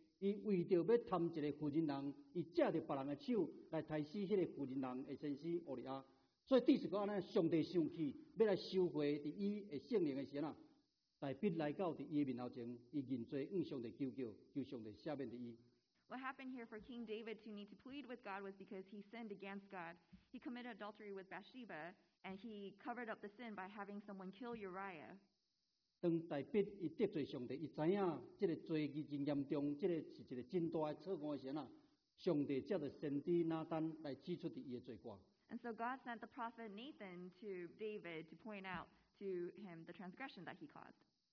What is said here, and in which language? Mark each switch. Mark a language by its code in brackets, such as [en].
[en] What happened here for King David to need to plead with God was because he sinned against God. He committed adultery with Bathsheba, and he covered up the sin by having someone kill Uriah. [nan] 当大卫伊得罪上帝，伊知影这个罪已经严重，这个是一个真大的错误的时候，上帝才就先知拿单来指出伊的罪过。And [en] so God sent the prophet Nathan to David to point out to him the transgression that he caused.